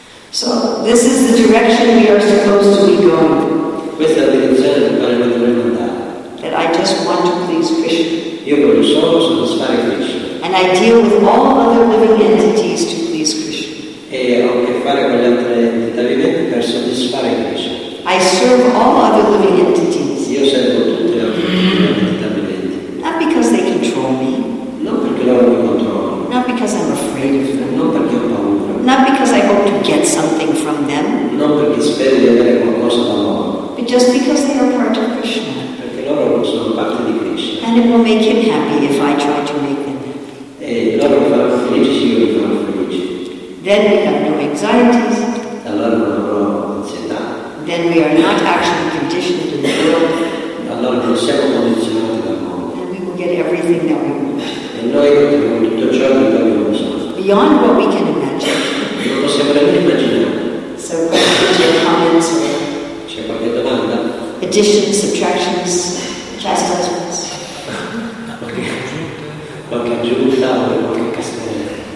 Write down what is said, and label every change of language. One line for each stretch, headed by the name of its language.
English: So this is the direction we are supposed to be going.
Italian: Questa è la direzione nella quale noi dovremmo andare.
English: That I just want to please Krishna.
Italian: Io voglio solo soddisfare Krishna.
English: And I deal with all other living entities to please Krishna.
Italian: E ho a che fare con le altre entità viventi per soddisfare Krishna.
English: I serve all other living entities.
Italian: Io servo tutte le altre entità viventi.
English: Not because they control me.
Italian: Non perché loro mi controllano.
English: Not because I'm afraid of them.
Italian: Non perché ho paura.
English: Not because I hope to get something from them.
Italian: Non perché spero di avere qualcosa da loro.
English: But just because they are part of Krishna.
Italian: Perché loro sono parte di Krishna.
English: And it will make him happy if I try to make them happy.
Italian: E loro faranno felici, io li farò felici.
English: Then we have no anxieties.
Italian: Allora non avrò ansietà.
English: Then we are not actually conditioned in the world.
Italian: Allora non siamo condizionati dal mondo.
English: And we will get everything that we want.
Italian: E noi otterremo tutto ciò che abbiamo bisogno.
English: Beyond what we can imagine.
Italian: Non possiamo neanche immaginare.
English: So, your comments or
Italian: c'è qualche domanda?
English: Additions, subtractions, chastisements.
Italian: Qualche aggiunta o qualche castello.